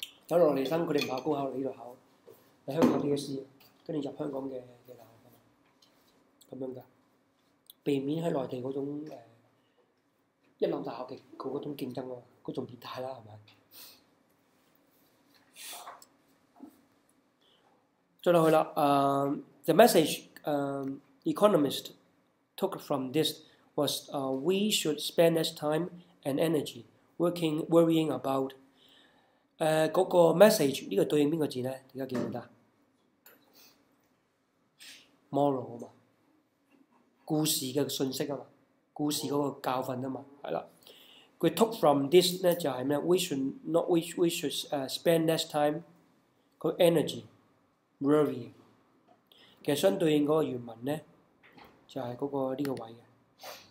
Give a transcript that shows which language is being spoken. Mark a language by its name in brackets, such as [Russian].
[Cantonese] 有內地生佢哋唔考高考，你呢度考嚟香港 DSE， 跟住入香港嘅大學咁樣噶，避免喺內地嗰種一流大學嘅嗰種競爭喎，嗰種變態啦，係咪？ [English] 再落去啦，the message economist took from this was we should spend less time and energy worrying about [Cantonese] 嗰個 message 呢個對應邊個字咧？而家記唔記得 ？moral 啊嘛，故事嘅信息啊嘛。故事嗰個教訓啊嘛，係啦。佢 [English] took from this [Cantonese] 咧就係咩 ？ [English] We should spend less time， [Cantonese] 個 energy worry。其實相對應嗰個原文咧，就係嗰個呢個位嘅。